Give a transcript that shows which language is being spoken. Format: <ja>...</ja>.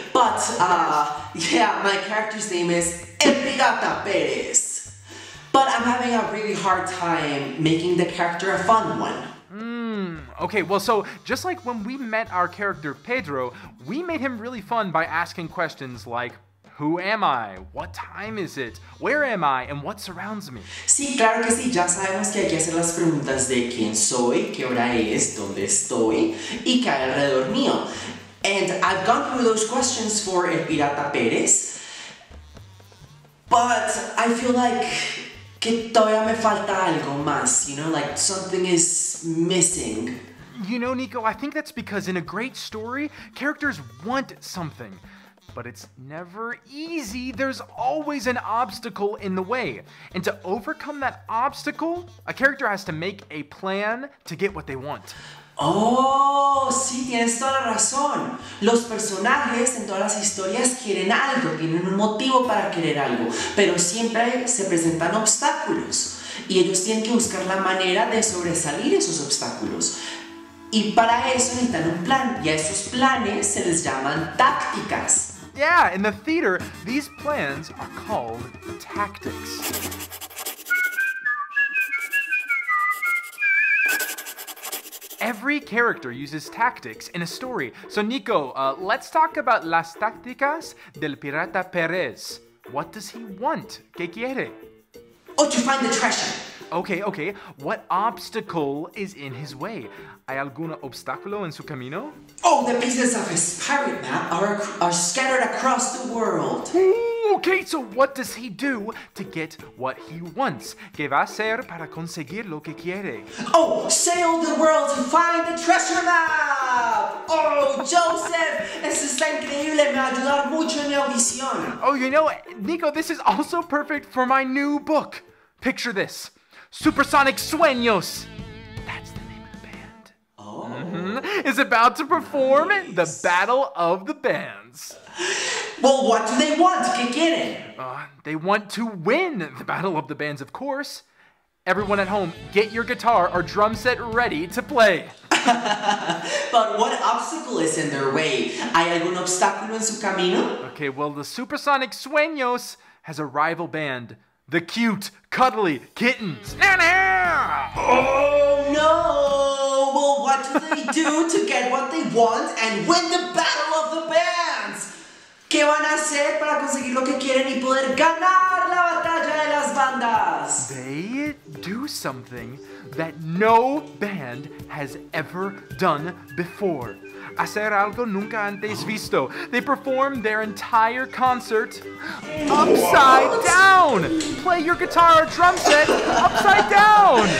<en>But, my character's name is Epigata Perez. But I'm having a really hard time making the character a fun one. Okay, well, so just like when we met our character Pedro, we made him really fun by asking questions like, who am I? What time is it? Where am I? And what surrounds me?</en> <es>Sí, claro que sí. Ya sabemos que hay que hacer las preguntas de quién soy, qué hora es, dónde estoy, y qué hay alrededor mío.</es> <en>And I've gone through those questions for El Pirata Pérez, but I feel like</en> <es>que todavía me falta algo más,</es> <en>you know, like something is missing. You know, Nico, I think that's because in a great story, characters want something. But it's never easy. There's always an obstacle in the way. And to overcome that obstacle, a character has to make a plan to get what they want.</en> <es>Oh, sí, tienes toda la razón. Los personajes en todas las historias quieren algo, tienen un motivo para querer algo, pero siempre se presentan obstáculos y ellos tienen que buscar la manera de sobresalir esos obstáculos. Y para eso necesitan un plan, y a esos planes se les llaman tácticas.</es> <en>Yeah, in the theater, these plans are called tactics. Every character uses tactics in a story. So Nico, let's talk about</en> <es>las tácticas del Pirata Pérez.</es> <en>What does he want?</en> <es>¿Qué quiere?</es> <en>Oh, to find the treasure. Okay. What obstacle is in his way?</en> <es>¿Hay algún obstáculo en su camino?</es> <en>Oh, the pieces of his pirate map are scattered across the world. Ooh, okay, so what does he do to get what he wants?</en> <es>¿Qué va a hacer para conseguir lo que quiere?</es> <en>Oh, sail the world to find the treasure map!</en> <es>Oh, Joseph, eso está increíble. Me va a ayudar mucho en mi audición.</es> <en>Oh, you know, Nico, this is also perfect for my new book. Picture this. Supersonic Sueños! That's the name of the band. Oh. Mm-hmm. Is about to perform nice. The Battle of the Bands. Well, what do they want?</en> <es>¿Qué quieren?</es> <en>They want to win the Battle of the Bands, of course. Everyone at home, get your guitar or drum set ready to play. But what obstacle is in their way?</en> <es>¿Hay algún obstáculo en su camino?</es> <en>Okay, well, the Supersonic Sueños has a rival band, the Cute, Cuddly Kittens. Nana! Oh, no! Well, what do they do to get what they want and win the Battle of the Bands?</en> <es>¿Qué van a hacer para conseguir lo que quieren y poder ganar la batalla de las bandas?</es> <en>They do something that no band has ever done before.</en> <es>Hacer algo nunca antes visto.</es> <en>They perform their entire concert upside down. Play your guitar or drum set upside down.</en>